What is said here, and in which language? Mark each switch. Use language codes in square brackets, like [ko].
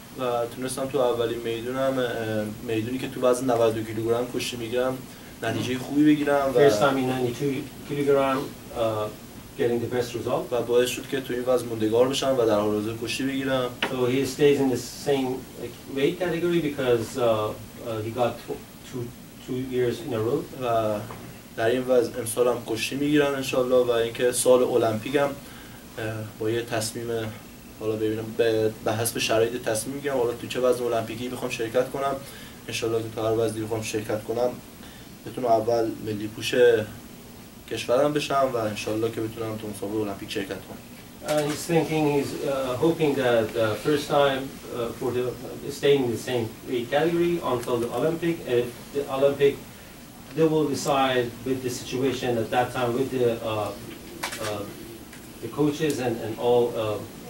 [fa] و تونستم تو اولین میدونم میدونی که تو وزن 92 کیلوگرم کشته میگیرم نتیجه خوبی بگیرم و [en] first time in 92 kilogram getting the best result [fa] و باعث شد که تو این وزن موندگار بشم و در حال حاضر کشته بگیرم [en] so he stays in the same weight category because he got two years in a row [fa] و در این وزن امسال هم کشته میگیرم انشالله و اینکه سال المپیکم با یه تصمیم حالا ببینم به حسب شرایط تصمیم میگیرم حالا تو چه وزن المپیکی بخوام شرکت کنم ان شاء الله تو هر وزنی بخوام شرکت کنم بتونم اول ملی پوش کشورم بشم و ان شاء الله که بتونم تو مسابقه المپیک شرکت کنم [en] he's thinking he's hoping that the first time for the staying in the same weight category until the Olympic if the Olympic they will decide with the situation at that time with the coaches and all